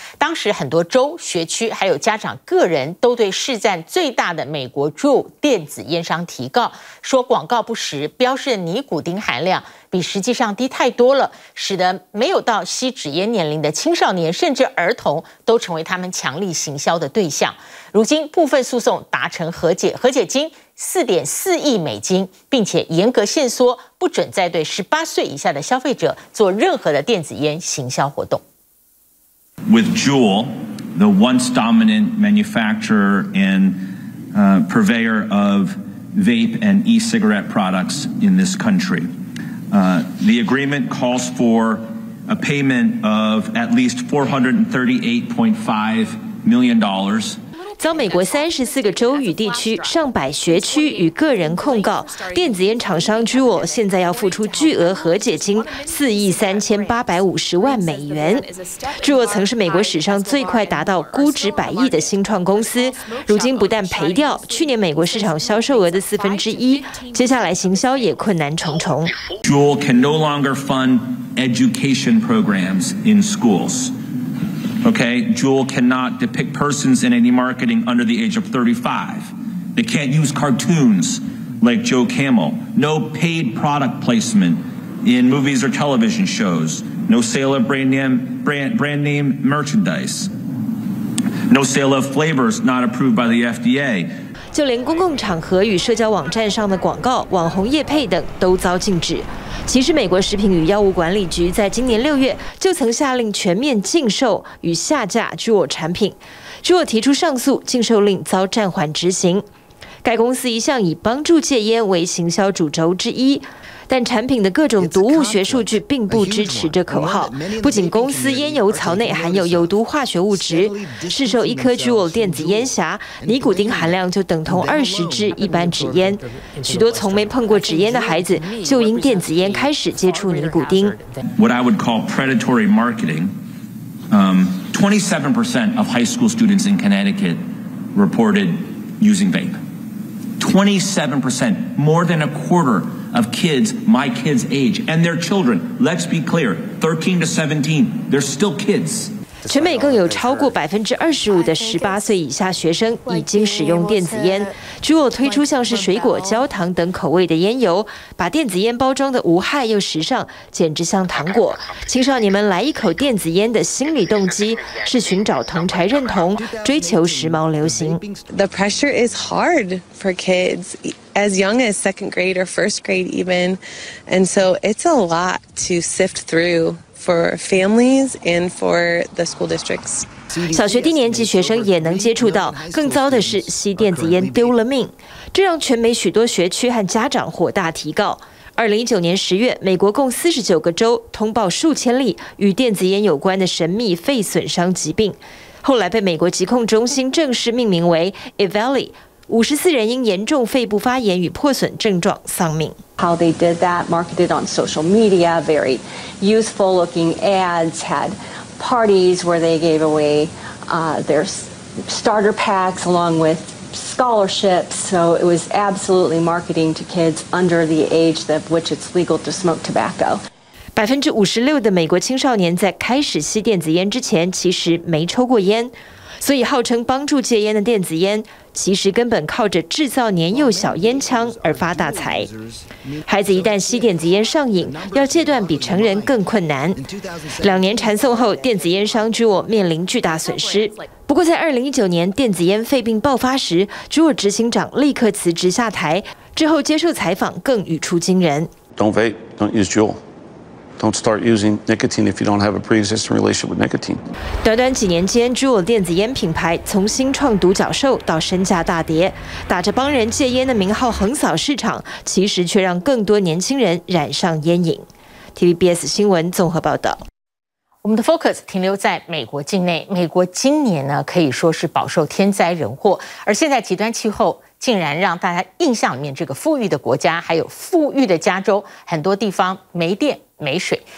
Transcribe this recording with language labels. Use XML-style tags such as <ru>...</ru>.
<zh>当时很多州、学区还有家长个人都对市占最大的美国驻电子烟商提告，说广告不实，标示的尼古丁含量比实际上低太多了，使得没有到吸纸烟年龄的青少年甚至儿童都成为他们强力行销的对象。如今部分诉讼达成和解，和解金$4.4亿，并且严格限缩，不准再对18岁以下的消费者做任何的电子烟行销活动。</zh> <en>With Juul, the once dominant manufacturer and purveyor of vape and e-cigarette products in this country, the agreement calls for a payment of at least $438.5 million.</en> <zh>遭美国34个州与地区、上百学区与个人控告，电子烟厂商 Juul 现在要付出巨额和解金$43,850万。 Juul 曾是美国史上最快达到估值100亿的新创公司，如今不但赔掉去年美国市场销售额的1/4，接下来行销也困难重重。</zh> <en>Juul can no longer fund education programs in schools. Okay, Juul cannot depict persons in any marketing under the age of 35. They can't use cartoons like Joe Camel. No paid product placement in movies or television shows. No sale of brand name merchandise. No sale of flavors not approved by the FDA.</en> <zh>就连公共场合与社交网站上的广告、网红业配等都遭禁止。其实美国食品与药物管理局在今年6月就曾下令全面禁售与下架 Juul 产品。 Juul 提出上诉，禁售令遭暂缓执行。该公司一向以帮助戒烟为行销主轴之一，但产品的各种毒物学数据并不支持这口号。不仅公司烟油槽内含有有毒化学物质，市售一颗 Juul 电子烟匣尼古丁含量就等同20支一般纸烟，许多从没碰过纸烟的孩子就因电子烟开始接触尼古丁。</zh> <en>What I would call predatory marketing, 27% of high school students in Connecticut reported using vape. 27%, more than a quarterof kids my kids' age and their children, let's be clear, 13 to 17, they're still kids.</en> <zh>全美更有超过25%的18岁以下学生已经使用电子烟。 Juul推出像是水果、焦糖等口味的烟油，把电子烟包装的无害又时尚，简直像糖果。青少年们来一口电子烟的心理动机是寻找同侪认同，追求时髦流行。</zh> <en>The pressure is hard for kids. As young as second grade or first grade even. And so it's a lot to sift through for families and for the school districts.</en> <zh>小学低年级学生也能接触到，更糟的是吸电子烟丢了命。这让全美许多学区和家长火大提告。2019年10月，美国共49个州通报数千例与电子烟有关的神秘肺损伤疾病。后来被美国疾控中心正式命名为 EVALI,54人因严重肺部发炎与破损症状丧命。</zh> <en>How they did that, marketed on social media, very youthful looking ads, had parties where they gave away their starter packs along with scholarships. So it was absolutely marketing to kids under the age of which it's legal to smoke tobacco.</en> <zh>56%的美国青少年在开始吸电子烟之前其实没抽过烟。所以号称帮助戒烟的电子烟其实根本靠着制造年幼小烟枪而发大财。孩子一旦吸电子烟上瘾，要戒断比成人更困难。 2年缠讼后，电子烟商 Juul 面临巨大损失。不过在2019年电子烟肺病爆发时， Juul 执行长立刻辞职下台，之后接受采访更语出惊人。</zh> <en>Don't vape, don't use Juul. Don't start using nicotine if you don't have a pre-existing relationship with nicotine.</en> <zh>短短几年间，JUUL电子烟品牌从新创独角兽到身价大跌，打着帮人戒烟的名号横扫市场，其实却让更多年轻人染上烟瘾。 TVBS 新闻综合报道。我们的 focus 停留在美国境内，美国今年呢可以说是饱受天灾人祸，而现在极端气候竟然让大家印象里面这个富裕的国家，还有富裕的加州，很多地方没电没水。</zh>